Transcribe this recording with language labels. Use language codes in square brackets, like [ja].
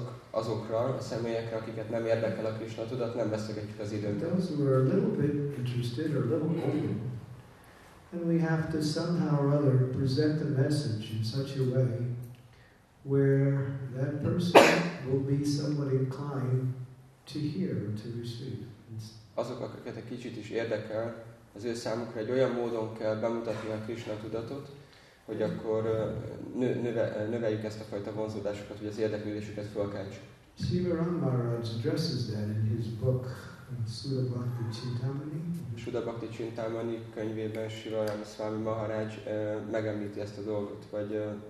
[hu] Azokra, a személyekre, akiket nem érdekel a Krishna tudat, nem beszélgetjük az időt. [en] Those who are a little bit interested or a little open, then we have to somehow or other present the message in such a way where that person will be somewhat inclined to hear, to receive. [hu] Azok, akiket egy kicsit is érdekel, az ő számukra egy olyan módon kell bemutatni a Krishna tudatot, hogy akkor növeljük ezt a fajta vonzódásukat, hogy az érdeklődésüket fölkeltsük. [en] Sivaram Maharaj addresses that in his book Suda Bhakti Chintamani. [hu] Suda Bhakti Chintamani könyvében Sivaram Swami Maharaj megemlíti ezt a dolgot, vagy